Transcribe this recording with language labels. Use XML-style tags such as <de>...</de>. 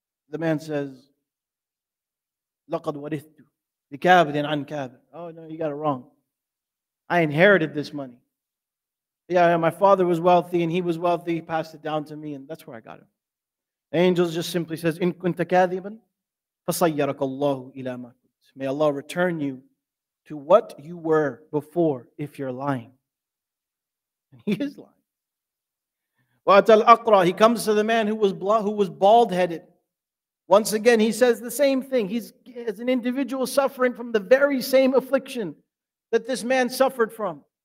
<en>The man says,</en> <ar>لَقَدْ وَرِثْتُ. بكابد عن كابد.</ar> <en>Oh no, you got it wrong. I inherited this money. Yeah, my father was wealthy and he was wealthy. He passed it down to me and that's where I got it. The angel just simply says,</en> <ar>إن كنت كاذبا فصيرك الله إلى ما كنت.</ar> <en>May Allah return you to what you were before if you're lying. And he is lying.</en> <ar>وأتى الأقرع.</ar> <en>He comes to the man who was bald-headed. Once again, he says the same thing. He's as an individual suffering from the very same affliction that this man suffered from.</en>